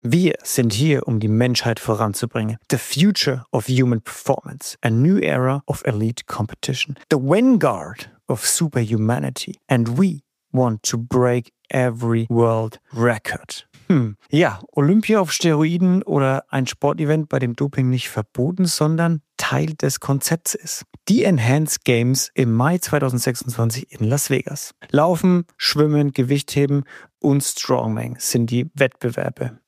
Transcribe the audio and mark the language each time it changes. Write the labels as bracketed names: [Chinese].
[German] Wir sind hier, um die Menschheit voranzubringen. [English] The future of human performance. A new era of elite competition. The vanguard of superhumanity. And we want to break every world record. [German] Ja, Olympia auf Steroiden oder ein Sportevent, bei dem Doping nicht verboten, sondern Teil des Konzepts ist. Die Enhanced Games im Mai 2026 in Las Vegas. Laufen, Schwimmen, Gewichtheben und Strongman sind die Wettbewerbe.